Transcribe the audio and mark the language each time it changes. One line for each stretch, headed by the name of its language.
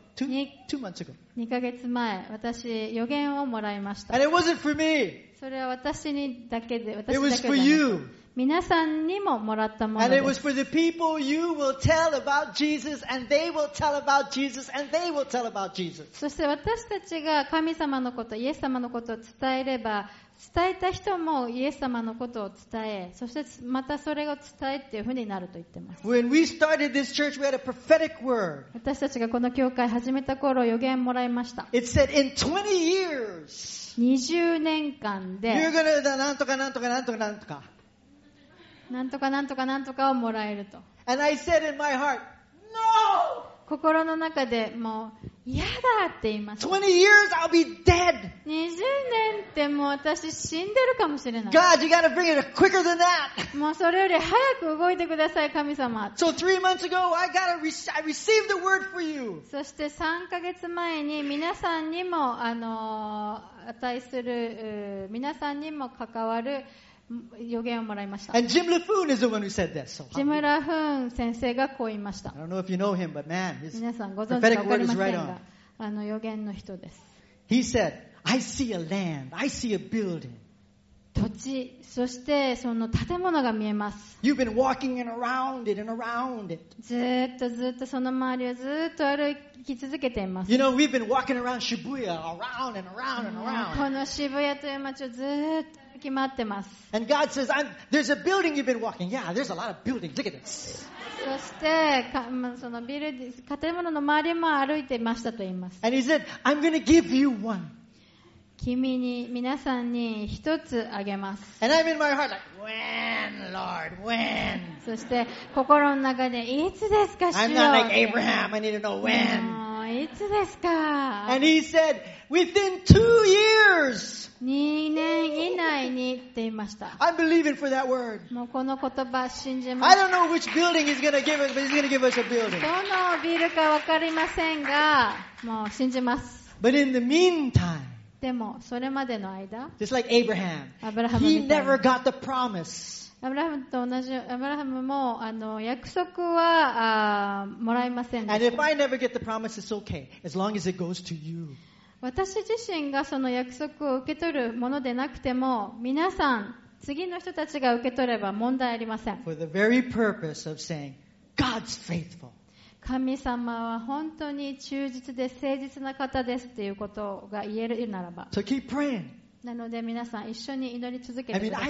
Japanese: 2ヶ月前、私、予言をもらいました。
English: And it wasn't for me.
Japanese: それは私にだけで、私だけ
English: で。It was for you.
Japanese: 皆さんにももらったものです。
English: And it was for the people you will tell about Jesus, and they will tell about Jesus, and they will tell about Jesus.
Japanese: そして私たちが神様のこと、イエス様のことを伝えれば、伝えた人もイエス様のことを伝え、そしてまたそれを伝えっていうふうになると言ってます。
English: When we started this church, we had a prophetic word.
Japanese: 私たちがこの教会始めた頃、予言もらいました。
English: It said in 20 years.
Japanese: 20年間で。
English: You're gonna do
Japanese: なんとかなんとかなんとかなんとか。なんとかなんとかなんとかをもらえると。
English: And I said in my heart, no!
Japanese: 心の中でもう、嫌だって言いました。
English: 20 years I'll be dead!
Japanese: 20年ってもう私死んでるかもしれない。
English: God, you gotta bring it quicker than that!
Japanese: もうそれより早く動いてください、神様。
English: So 3 months ago, I received the word for you!
Japanese: そして3ヶ月前に皆さんにも、値する、皆さんにも関わる予言をもらいました。
English: And Jim LaFoon is the one who said this.
Japanese: Jim LaFoon 先生がこう言いました。
English: I don't know if you know him, but man, his prophetic word is right on.
Japanese: あの予言の人です。
English: He said, "I see a land. I see a building."
Japanese: 土地、そしてその建物が見えます。
English: You've been walking and around it and around it.
Japanese: ずっとずっとその周りをずっと歩き続けています。
English: You know, we've been walking around Shibuya, around and around and around.
Japanese: この渋谷という街をずっと決まってます。
English: And God says, "There's a building you've been walking. Yeah, there's a lot of buildings. Look at this."
Japanese: そしてそのビル建物の周りも歩いてましたと言います。
English: And He said, "I'm going to give you one."
Japanese: 君に皆さんに一つあげます。
English: And I'm in my heart like, "When, Lord, when?"
Japanese: そして心の中でいつですか、主よ。
English: I'm not like Abraham. I need to know when.
Japanese: いつですか。
English: And He said, "Within 2 years."
Japanese: 2年以内にって言いました。
English: I'm believing for that word.
Japanese: もうこの言葉信じます。
English: I don't know which building he's gonna give us, but he's gonna give us a building.
Japanese: どのビルかわかりませんが、もう信じます。
English: But in the meantime,
Japanese: でもそれまでの間、
English: just like Abraham,
Japanese: アブラハムみ
English: たいに、he never got the promise.
Japanese: アブラハムと同じ、アブラハムもあの約束はもらえませんでした。
English: And if I never get the promise, it's okay, as long as it goes to you.
Japanese: 私自身がその約束を受け取るものでなくても、皆さん、次の人たちが受け取れば問題ありません。
English: For the very purpose of saying, God's faithful.
Japanese: 神様は本当に忠実で誠実な方ですということが言えるならば。
English: So keep praying.
Japanese: なので皆さん一緒に祈り続けてください。